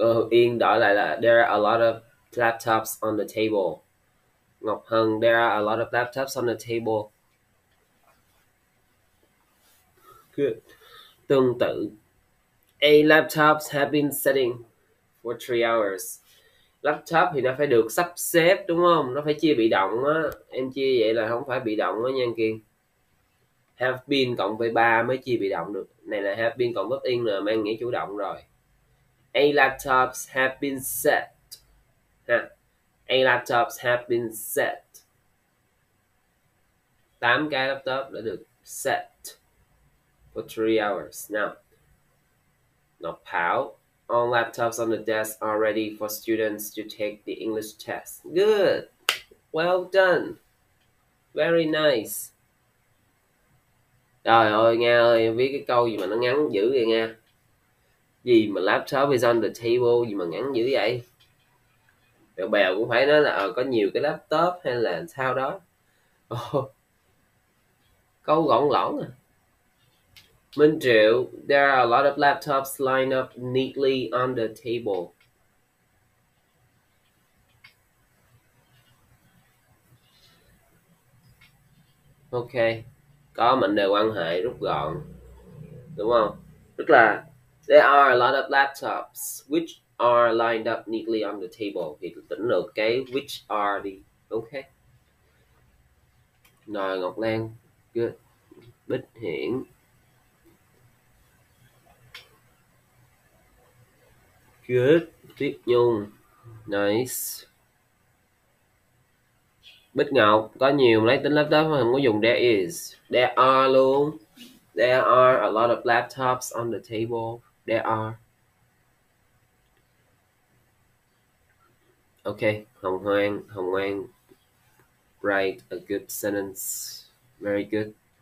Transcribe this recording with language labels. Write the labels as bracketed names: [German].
[Vietnamese] Yên đổi lại là [English] there are a lot of laptops on the table. Ngọc Hân, there are a lot of laptops on the table. Good. [Vietnamese] Tương tự. [English] Eight laptops have been sitting for 3 hours. [Vietnamese] Laptop thì nó phải được sắp xếp, đúng không? Nó phải chia bị động á. Em chia vậy là không phải bị động á nha anh Kiên. Have been cộng với 3 mới chia bị động được. Này là have been cộng với in là mang nghĩa chủ động rồi. [English] A laptops have been set. [Vietnamese] Ha. [English] A laptops have been set. [Vietnamese] 8 cái laptop đã được set for 3 hours. [English] Now, Ngọc Thảo. All laptops on the desk are ready for students to take the English test. Good. Well done. Very nice. [Vietnamese] Trời ơi Nga ơi, em viết cái câu gì mà nó ngắn dữ vậy Nga. Gì mà [English] laptop is on the table, [Vietnamese] gì mà ngắn dữ vậy. Bèo bèo cũng phải nói là có nhiều cái laptop hay là sao đó. Câu gọn lỏn à. [English] Minh Triệu, there are a lot of laptops lined up neatly on the table. Ok. [Vietnamese] Có mệnh đề quan hệ rút gọn, đúng không? [English] Tức là there are a lot of laptops which are lined up neatly on the table. [Vietnamese] Thì tỉnh được cái which are đi. Ok. Rồi Ngọc Lan. Good. Bích Hiển. Good. Tiếp Nhung. Nice. Bích Ngọc, có nhiều máy tính laptop mà không có dùng there is. [English] There are luôn. There are a lot of laptops on the table. There are. Ok, Hồng Hoang. Write a good sentence. Very good.